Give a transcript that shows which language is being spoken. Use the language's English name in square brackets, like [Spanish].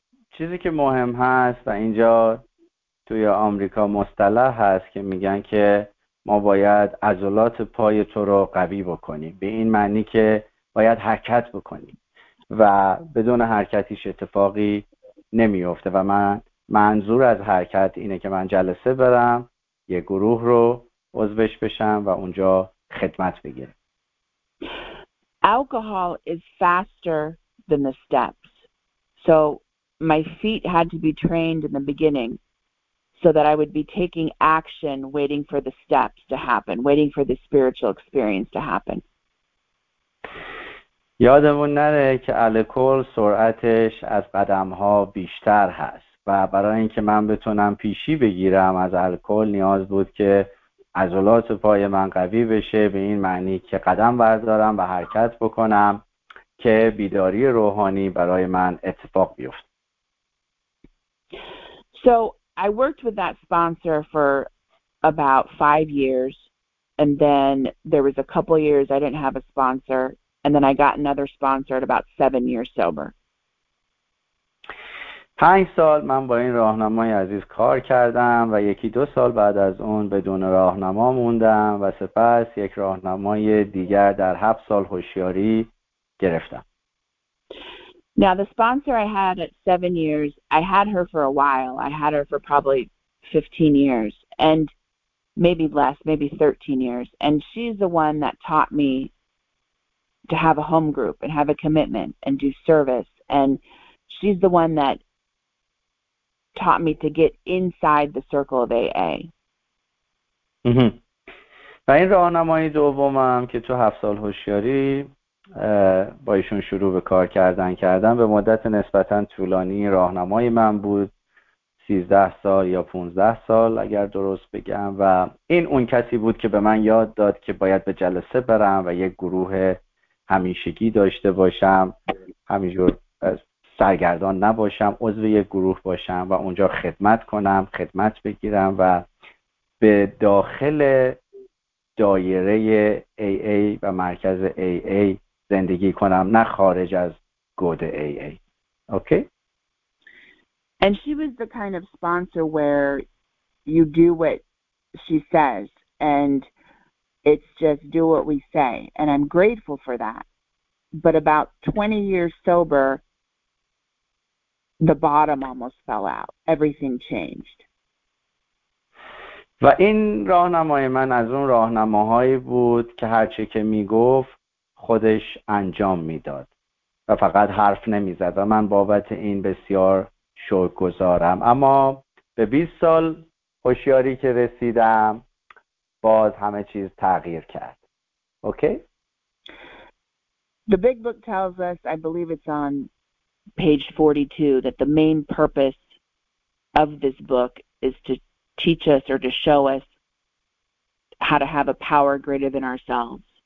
[Persian] چیزی که مهم هست و اینجا توی آمریکا مصطلح هست که میگن که ما باید عضلات پای تو رو قوی بکنیم، به این معنی که باید حرکت بکنیم و بدون حرکتیش اتفاقی نمیفته. و من منظور از حرکت اینه که من جلسه برم، یه گروه رو عضوش بشم و اونجا خدمت بگیرم. [English] Alcohol is faster than the steps. So my feet had to be trained in the beginning so that I would be taking action, waiting for the steps to happen, waiting for the spiritual experience to happen. یادمون نره که الکل سرعتش از قدم‌ها بیشتر هست، و برای اینکه من بتونم پیشی بگیرم از الکل نیاز بود که عضلات پای من قوی بشه، به این معنی که قدم بردارم و حرکت بکنم که بیداری روحانی برای من اتفاق بیفته. So I worked with that sponsor for about 5 years, and then there was a couple years I didn't have a sponsor, and then I got another sponsor at about 7 years sober. 5 سال من با این راهنمای عزیز کار کردم و یکی دو سال بعد از اون بدون راهنما موندم و سپس یک راهنمای دیگر در 7 سال هوشیاری گرفتم. Now, the sponsor I had at 7 years, I had her for a while. I had her for probably 15 years and maybe less, maybe 13 years. And she's the one that taught me to have a home group and have a commitment and do service. And she's the one that taught me to get inside the circle of AA. [Persian] و این راهنمای دومم که تو 7 سال هوشیاری با ایشون شروع به کار کردن به مدت نسبتا طولانی راهنمای من بود، 13 سال یا 15 سال اگر درست بگم، و این اون کسی بود که به من یاد داد که باید به جلسه برم و یک گروه همیشگی داشته باشم، همینجور سرگردان نباشم، عضو یک گروه باشم و اونجا خدمت کنم، خدمت بگیرم و به داخل دایره AA و مرکز AA زندگی کنم، نه خارج از گود AA. [English] Okay. And she was the kind of sponsor where you do what she says and it's just do what we say, and I'm grateful for that. But about 20 years sober, the bottom almost fell out. Everything changed. [Persian] و این راهنمای من از اون راهنماهایی بود که هر چه که میگفت خودش انجام میداد و فقط حرف نمیزد، و من بابت این بسیار شکرگزارم. اما به 20 سال هوشیاری که رسیدم باز همه چیز تغییر کرد. اوکی؟ [English] The big book tells us, I believe it's on page 42, that the main purpose of this book is to teach us or to show us how to have a power greater than ourselves.